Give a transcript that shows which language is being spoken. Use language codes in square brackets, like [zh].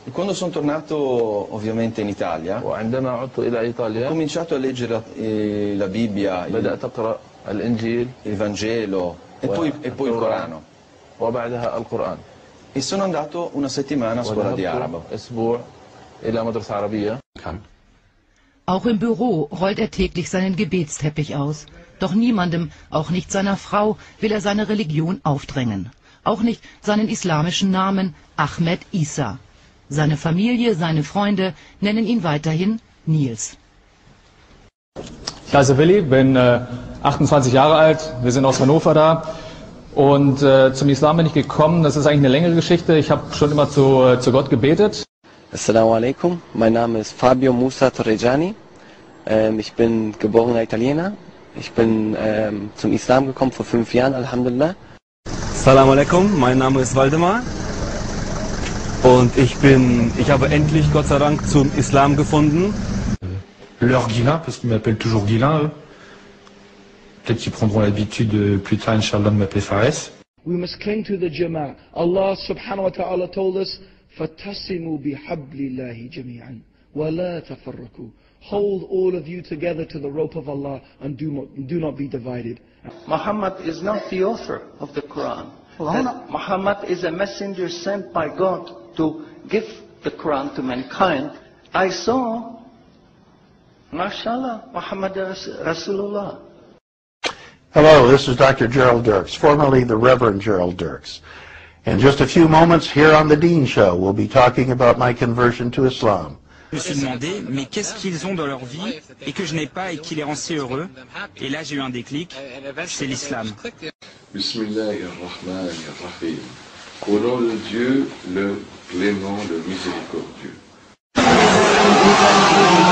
[it] Quando sono tornato ovviamente in Italia, ho cominciato a leggere la Bibbia, il Vangelo e poi il Corano. E sono andato una settimana a scuola di arabo. [de] Auch im Büro rollt er täglich seinen Gebetsteppich aus. Doch niemandem, auch nicht seiner Frau, will er seine Religion aufdrängen. Auch nicht seinen islamischen Namen Ahmed Isa. Seine Familie, seine Freunde nennen ihn weiterhin Nils. Ich heiße Willi, bin 28 Jahre alt, wir sind aus Hannover da. Und zum Islam bin ich gekommen, das ist eigentlich eine längere Geschichte. Ich habe schon immer zu Gott gebetet. Assalamu alaikum. Mein Name ist Fabio Musa Torrejani. Ich bin geborener Italiener. Ich bin zum Islam gekommen vor 5 Jahren, Alhamdulillah. Assalamu alaikum. Mein Name ist Waldemar. Und ich habe endlich, Gott sei Dank, zum Islam gefunden. [fr] Leur Gila, parce qu'ils m'appellent toujours Gila, eux. Peut-être qu'ils prendront l'habitude plus tard, inshallah, de m'appeler Fares. [en] We must cling to the Jama'ah. Allah [ar] subhanahu wa ta'ala [en] told us, [ar] فَتَصِمُوا بِحَبْلِ اللَّهِ جَمِيعًا وَلَا تَفَرَّكُوا. [en] Hold all of you together to the rope of Allah and do not be divided. Muhammad is not the author of the Quran. Muhammad is a messenger sent by God to give the Quran to mankind. I saw, mashallah, Muhammad Rasulullah. Hello, this is Dr. Gerald Dirks, formerly the Reverend Gerald Dirks. In just a few moments here on the Dean Show, we'll be talking about my conversion to Islam. [fr] Je me suis demandé, mais qu'est-ce qu'ils ont dans leur vie et que je n'ai pas et qui les rend si heureux? Et là, j'ai eu un déclic, c'est l'islam. [ar] Bismillahirrahmanirrahim. [fr] Au nom de Dieu, le clément, le miséricordieux.